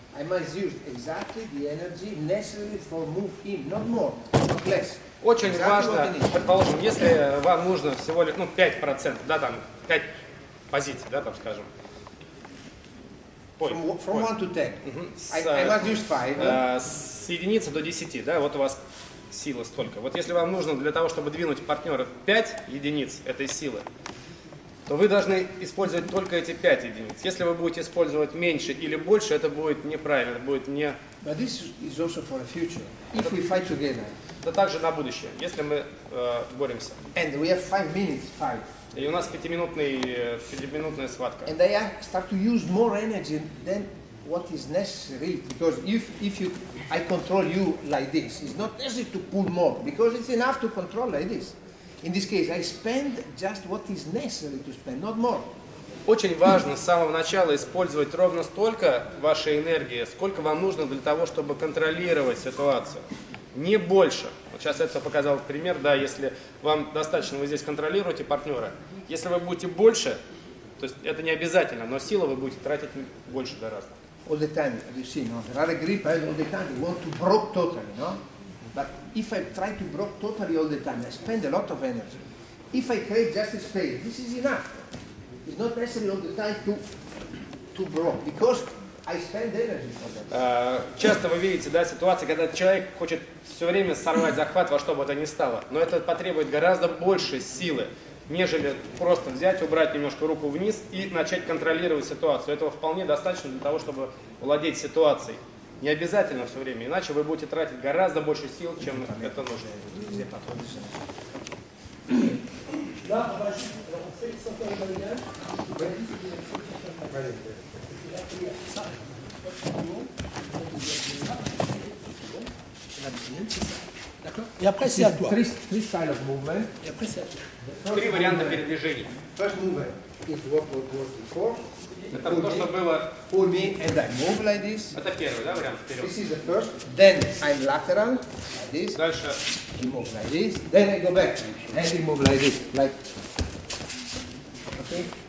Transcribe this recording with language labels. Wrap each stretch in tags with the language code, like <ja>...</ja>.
<en>I must use exactly the energy necessary for move him, not more, not less.</en> <ru>Очень</ru> <en>exactly</en> <ru>важно, предположим, если вам нужно всего лишь, ну, 5%, да, там, 5 позиций, да, там, скажем.</ru> <en>Ой, from 1 to 10. Uh-huh. I must use 5.</en> <ru>С единицы до 10, да, вот у вас сила столько. Вот если вам нужно для того, чтобы двинуть партнера 5 единиц этой силы, то вы должны использовать только эти 5 единиц. Если вы будете использовать меньше или больше, это будет неправильно, будет не...</ru> <en>But this is also for the future. If we fight together.</en> <ru>Это также на будущее, если мы боремся.</ru> <en>And we have 5 minutes fight.</en> <ru>И у нас 5-минутная схватка.</ru> <en>And I start to use more energy than what is necessary. Because if you, I control you like this, it's not necessary to pull more. Because it's enough to control like this. In this case, I spend just what is necessary to spend, not more.</en> <ru>Очень важно с самого начала использовать ровно столько вашей энергии, сколько вам нужно для того, чтобы контролировать ситуацию. Не больше. Вот сейчас это показал пример, да, если вам достаточно, вы здесь контролируете партнера. Если вы будете больше, то есть это не обязательно, но силы вы будете тратить больше гораздо.</ru> <en>All the time, you see, no? There are a grip, all the time, you want to broke totally, no? But if I try to block totally all the time, I spend a lot of energy. If I create just a space, this is enough. It's not necessary all the time to block, because I spend energy for that.</en> <ru>Часто вы видите, да, ситуации, когда человек хочет все время сорвать захват во что бы то ни стало. Но это потребует гораздо больше силы, нежели просто взять, убрать немножко руку вниз и начать контролировать ситуацию. Этого вполне достаточно для того, чтобы владеть ситуацией. Не обязательно все время, иначе вы будете тратить гораздо больше сил, чем это нужно. Где подходит? Да, обожди.</ru> <fr>И après c'est à toi.</fr> <en>Three style of movement.</en> <fr>И après c'est à toi.</fr> <ru>Три варианта передвижений.</ru> <en>First movement is what was before.</en> <ru>Это то, что было.</ru> <en>Pull me and I move like this.</en> <ru>Это первый, да, вариант вперед.</ru> <en>This is the first. Then I'm lateral like this.</en> <ru>Дальше.</ru> <en>I move like this. Then I go back. And I move like this, like. Okay.</en>